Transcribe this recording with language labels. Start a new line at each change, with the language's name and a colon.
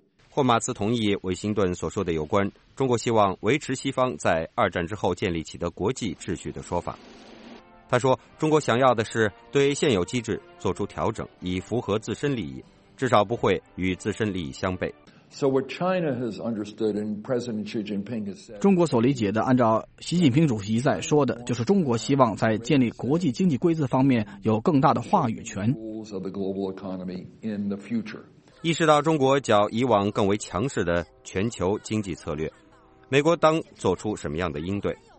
Chinese: 霍马茨同意韦辛顿所说的有关中国希望维持西方在二战之后建立起的国际秩序的说法。他说，中国想要的是对现有机制做出调整，以符合自身利益，至少不会与自身利益相悖。
English: So what China has understood and President Xi Jinping has said.
Chinese: 中国所理解的，按照习近平主席在说的，就是中国希望在建立国际经济规则方面有更大的话语权。意识到中国较以往更为强势的全球经济策略，美国当做出什么样的应对？